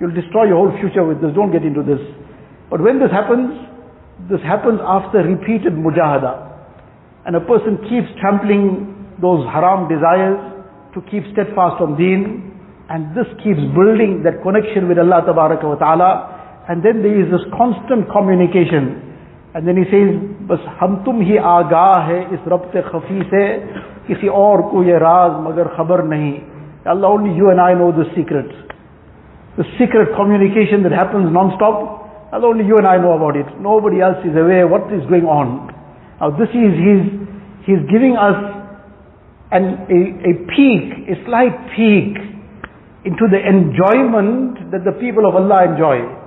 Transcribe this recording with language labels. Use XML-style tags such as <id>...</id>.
<en>You'll destroy your whole future with this, don't get into this. But when this happens after repeated mujahada. And a person keeps trampling those haram desires to keep steadfast on deen. And this keeps building that connection with Allah Tabaraka wa Ta'ala. And then there is this constant communication. And then he says,</en> <ur>بس ہم تم ہی آگاہ ہے اس ربط خفی سے کسی اور کو یہ راز مگر خبر نہیں.</ur> <en>Allah, only you and I know the secret. The secret communication that happens non-stop, Allah, only you and I know about it. Nobody else is aware what is going on. Now this is, he's giving us a peek, a slight peek into the enjoyment that the people of Allah enjoy.</en>